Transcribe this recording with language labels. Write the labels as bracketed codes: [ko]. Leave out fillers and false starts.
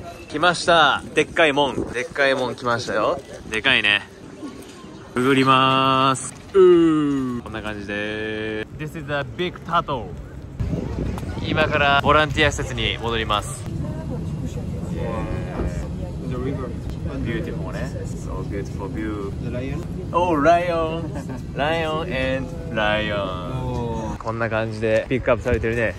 [ja] 来ました、でっかいもん、でっかいもん来ましたよ。でかいね。くぐります。うー、こんな感じで [en] This is a big turtle。 [ja] 今からボランティア施設に戻ります。 [en] Beautiful, [ja] ね。 [en] So beautiful view. The lion. Oh, lion. Lion and lion.、Oh. [ja] こんな感じでピックアップされてるね。